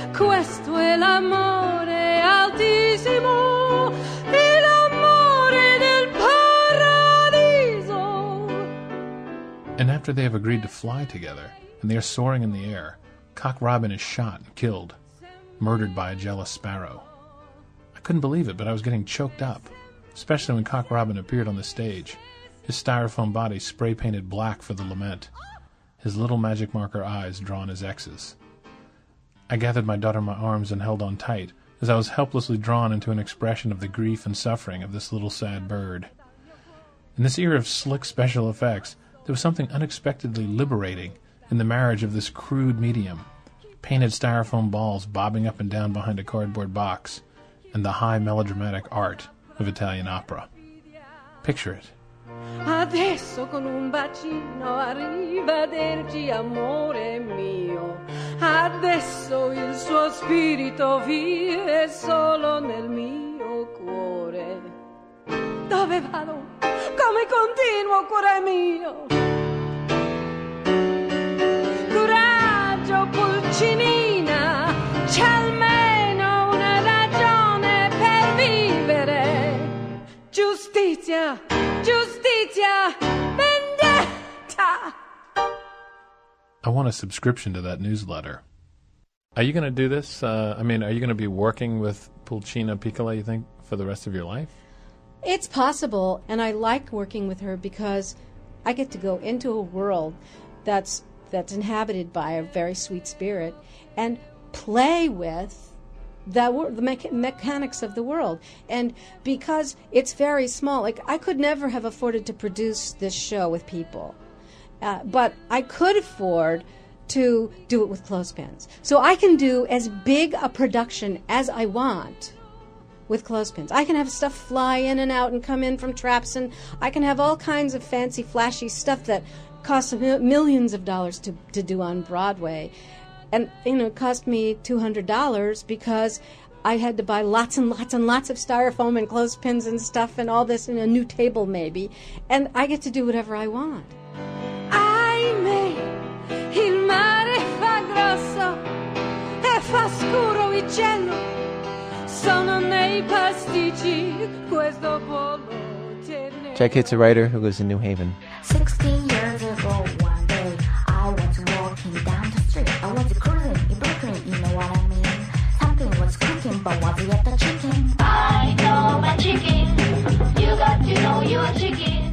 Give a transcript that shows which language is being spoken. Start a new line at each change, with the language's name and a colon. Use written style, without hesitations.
Italian: Questo è l'amore altissimo.
English: And after they have agreed to fly together, and they are soaring in the air, Cock Robin is shot and killed, murdered by a jealous sparrow. I couldn't believe it, but I was getting choked up, especially when Cock Robin appeared on the stage, his styrofoam body spray-painted black for the lament, his little magic marker eyes drawn as X's. I gathered my daughter in my arms and held on tight, as I was helplessly drawn into an expression of the grief and suffering of this little sad bird. In this era of slick special effects, there was something unexpectedly liberating in the marriage of this crude medium, painted styrofoam balls bobbing up and down behind a cardboard box, and the high melodramatic art of Italian opera. Picture it.
Italian: Adesso con un bacino arrivederci amore mio. Adesso il suo spirito vive solo nel mio cuore. Dove vado? Come continuo, cuore mio? Coraggio, pulcinina, c'è almeno una ragione per vivere. Giustizia, giustizia, vendetta!
English: I want a subscription to that newsletter. Are you going to do this? Are you going to be working with Pulcina Piccola, you think, for the rest of your life? It's possible, and I like working with her because I get to go into a world that's inhabited by a very sweet spirit and play with the mechanics of the world. And because it's very small, like, I could never have afforded to produce this show with people. But I could afford to do it with clothespins. So I can do as big a production as I want with clothespins. I can have stuff fly in and out and come in from traps, and I can have all kinds of fancy, flashy stuff that costs millions of dollars to do on Broadway. And, you know, it cost me $200 because I had to buy lots and lots and lots of styrofoam and clothespins and stuff and all this, and a new table maybe. And I get to do whatever I want.
Italian: Ahimè, il mare fa grosso e fa scuro il cielo. Sono nei pasticci, questo volo tenero.
English: Jack Hitt's a writer who lives in New Haven. 16 years ago one day, I was walking down the street. I was cruising in Brooklyn, you know what I mean? Something was cooking, but was it a chicken? I know my chicken, you got to know your chicken.